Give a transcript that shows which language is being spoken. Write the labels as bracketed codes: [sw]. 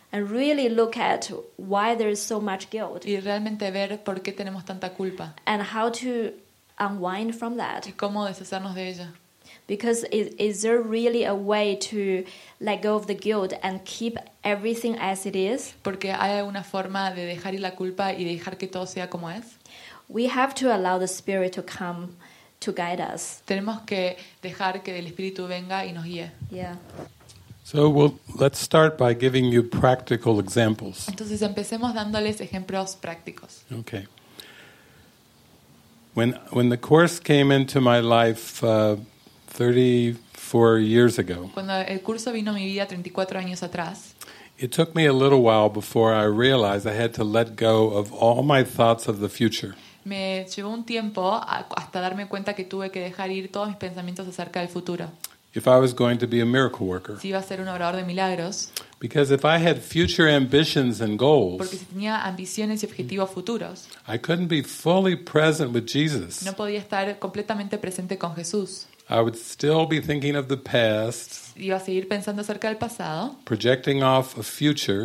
[en] And really look at why there is so much guilt. [es] Y realmente ver por qué tenemos tanta culpa. [en] And how to unwind from that. [es] Y cómo deshacernos de ella. [en] Because is there really a way to let go of the guilt and keep everything as it is? [es] Porque hay alguna forma de dejar ir la culpa y dejar que todo sea como es. [en] We have to allow the spirit to come to guide us. [es] Tenemos que dejar que el espíritu venga y nos guíe. [en] Yeah. So we'll let's start by giving you practical examples. [es] Entonces empecemos dándoles ejemplos prácticos. [en] Okay. When the course came into my life 34 years ago. [es] Cuando el curso vino a mi vida 34 años atrás. [en] It took me a little while before I realized I had to let go of all my thoughts of the future. [es] Me llevó un tiempo hasta darme cuenta que tuve que dejar ir todos mis pensamientos acerca del futuro. [en] If I was going to be a miracle worker. [es] Si iba a ser un obrador de milagros. [en] Because if I had future ambitions and goals. [es] Porque si tenía ambiciones y objetivos futuros. [en] I couldn't be fully present with Jesus. [es] No podía estar completamente presente con Jesús. [en] I would still be thinking of the past. [es] Iba a seguir pensando acerca del pasado. [en] Projecting off a future.